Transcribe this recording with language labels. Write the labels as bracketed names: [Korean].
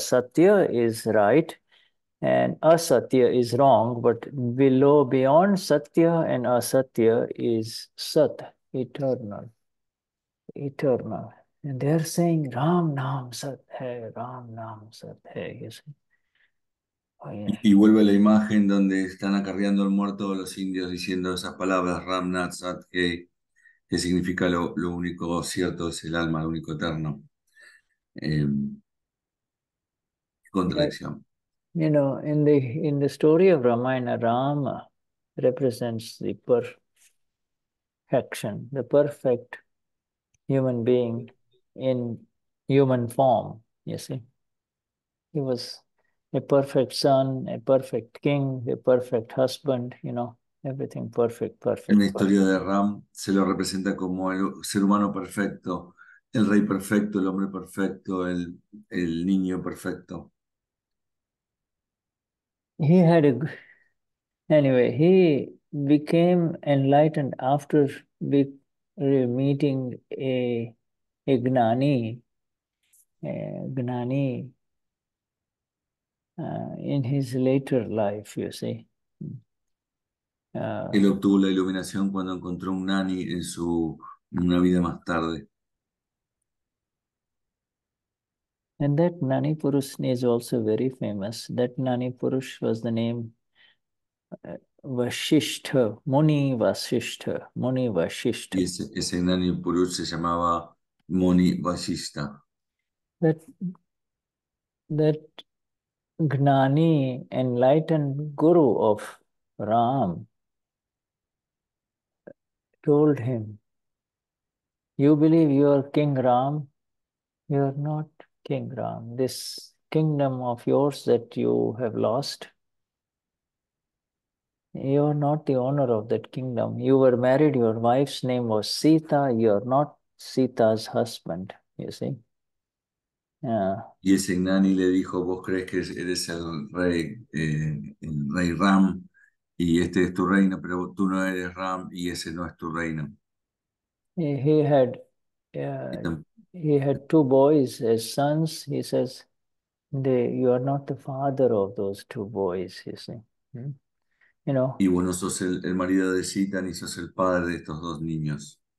[English] Satya is right and asatya is wrong, but below, beyond satya and asatya is sat, eternal. Eternal. And they're saying [Hindi] Ram Nam Sat Hai, Ram Nam Sat Hai, [English] you see. [Spanish] Y vuelve la imagen donde están acarreando el muerto de los indios diciendo esas palabras, [Hindi] Ram Nat Sat Hai, [Spanish] que significa lo único cierto es el alma, lo único eterno. Contradicción. [English] But, you know, in the story of Ramayana, Rama represents the perfection, the perfect human being in human form, you see. He was a perfect son, a perfect king, a perfect husband, you know. Everything perfect, perfect. [Spanish] En la historia de Ram se lo representa como el ser humano perfecto, el rey perfecto, el hombre perfecto, el niño perfecto. [English] He had a, anyway, he became enlightened after meeting a Gnani, in his later life, you see. [Spanish] Él obtuvo la iluminación cuando encontró un nani en su una vida más tarde. [English] And that Gnani Purush is also very famous. That Gnani Purush was the name Vashishtha, Muni Vashishtha, Muni Vashishtha. [Spanish] Y ese Gnani Purush se llamaba Muni Vashishtha. [English] That Gnani, enlightened guru of Ram, told him, you believe you are King Ram? You are not King Ram. This kingdom of yours that you have lost, you are not the owner of that kingdom. You were married, your wife's name was Sita, you are not Sita's husband, you see. [Spanish] Y ese Gnani le dijo, vos crees que eres el rey Ram, y este es tu reino, pero tú no eres Ram y ese no es tu reino. [English] He had two boys as sons. He says, you are not the father of those two boys, you see. You know. [Spanish] Y bueno, sos el marido de Sita y sos el padre de estos dos niños.